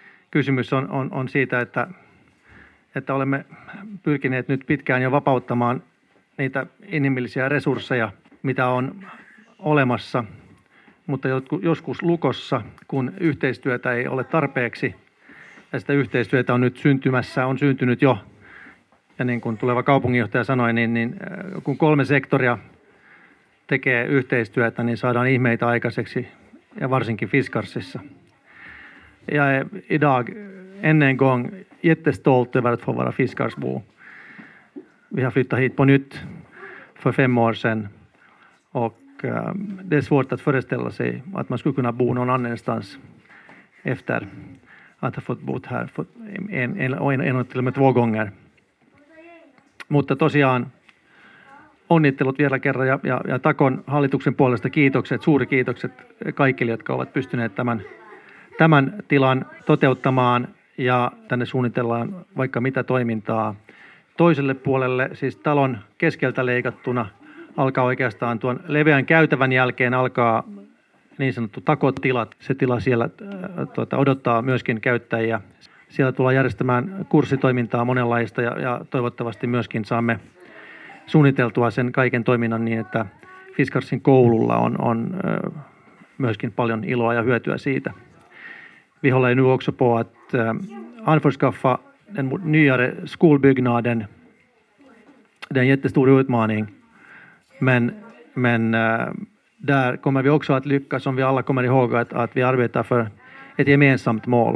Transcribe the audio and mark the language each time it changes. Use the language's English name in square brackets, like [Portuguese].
[Finnish] Kysymys on siitä, että olemme pyrkineet nyt pitkään jo vapauttamaan niitä inhimillisiä resursseja, mitä on olemassa, mutta joskus lukossa, kun yhteistyötä ei ole tarpeeksi, ja sitä yhteistyötä on nyt syntymässä, on syntynyt jo, ja niin kuin tuleva kaupunginjohtaja sanoi, niin kun kolme sektoria tekee yhteistyötä, niin saadaan ihmeitä aikaiseksi, ja varsinkin Fiskarsissa. [Swedish] Ja idag, ennen gång, jättestolt över att få vara Fiskarsbo. Vi har flyttat hit på nytt för 5 år sedan. Och det är svårt att föreställa sig att man skulle kunna bo någon annanstans efter att ha fått bo här en till och med 2 gånger. [Finnish] Mutta tosiaan onnittelut vielä kerran ja Takon hallituksen puolesta kiitokset, suuri kiitokset kaikille, jotka ovat pystyneet tämän tilan toteuttamaan ja tänne suunnitellaan vaikka mitä toimintaa. Toiselle puolelle, siis talon keskeltä leikattuna, alkaa oikeastaan tuon leveän käytävän jälkeen alkaa niin sanottu takotilat. Se tila siellä odottaa myöskin käyttäjiä. Siellä tullaan järjestämään kurssitoimintaa monenlaista ja toivottavasti myöskin saamme suunniteltua sen kaiken toiminnan niin, että Fiskarsin koululla on myöskin paljon iloa ja hyötyä siitä. [Swedish] Vi håller nu också på att anförskaffa den nyare skolbyggnaden. Det är en jättestor utmaning. Men där kommer vi också att lyckas, som vi alla kommer ihåg, att vi arbetar för ett gemensamt mål.